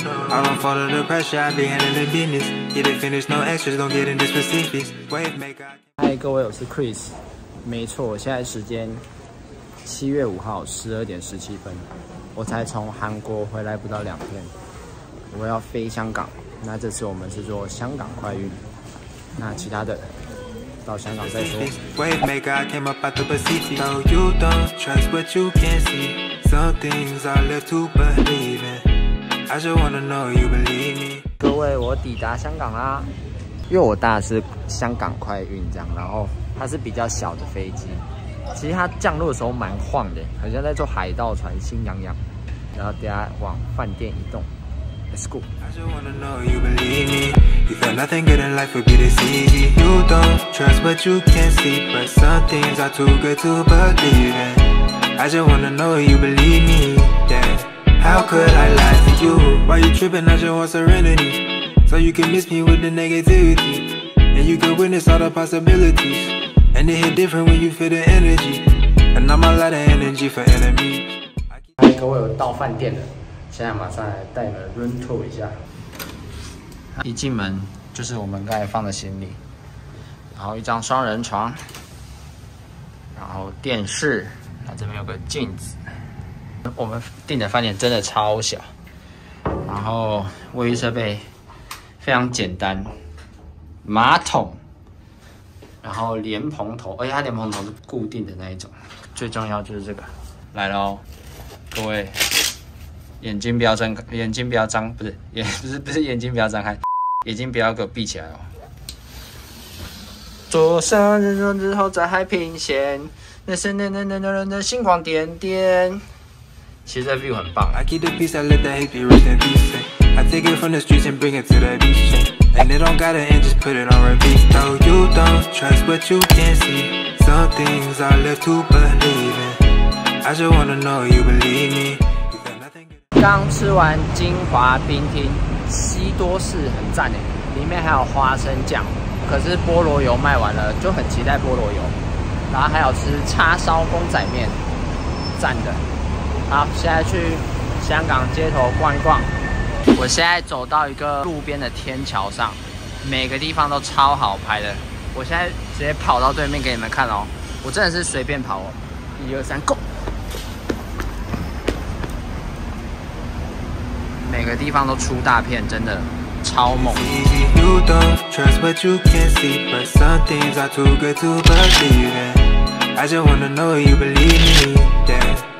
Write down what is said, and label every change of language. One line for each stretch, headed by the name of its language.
English: I don't follow the pressure, I be handling the business. Get it finished, no extras, don't get into specifics. Wave maker.
Chinese: Hi, 各位，我是 Chris。没错，现在时间7月5号12点17分，我才从韩国回来不到两天，我要飞香港。那这次我们是做香港快运，那其他的到香港再说。
English: Wave maker, I came up out the Pacific. No, you don't trust what you can't see. Some things I live to believe in. I just wanna know you believe me.
Chinese: 各位，我抵达香港啦，因为我搭的是香港快运这样，然后它是比较小的飞机。其实它降落的时候蛮晃的，好像在坐海盗船，心痒痒。然后等下往饭店移动 ，
English: Let's go。 I just wanna know you believe me. You feel nothing good in life would be this easy. You don't trust what you can't see, but some things are too good to believe in. I just wanna know you believe me. Yeah. How could I lie to you? Why you tripping? I just want serenity, so you can miss me with the negativity, and you can witness all the possibilities. And it hit different when you feel the energy. And I'm a lot of energy for enemies.
Chinese: 嗨，各位，我到饭店了，现在马上来带你们 run tour 一下。一进门就是我们刚才放的行李，然后一张双人床，然后电视，那这边有个镜子。我们订的饭店真的超小，然后卫浴设备非常简单，马桶。然后莲蓬头，而且它莲蓬头是固定的那一种，最重要就是这个来了哦，各位眼睛不要睁，眼睛不要张，不是眼，不是眼睛不要张开，眼睛不要给我闭起来哦。坐上人中之后在海平线，那是那的星光点点，其实这 view 很棒。
English: I keep the peace, I let the hate be rest in peace. I take it from the streets and bring it to the beach. And it don't gotta end, just put it on repeat. No, you don't trust what you can't see. Some things I live to believe in. I just wanna know you believe me.
Chinese: 刚吃完金华冰厅，西多士很赞诶，里面还有花生酱。可是菠萝油卖完了，就很期待菠萝油。然后还有吃叉烧公仔面，赞的。好，现在去香港街头逛一逛。我现在走到一个路边的天桥上，每个地方都超好拍的。我现在直接跑到对面给你们看哦，我真的是随便跑哦，一二三 ，Go！每个地方都出大片，真的超猛。
English: You don't trust what you can't see, but some things are too good to believe in. I just wanna know you believe me, yeah.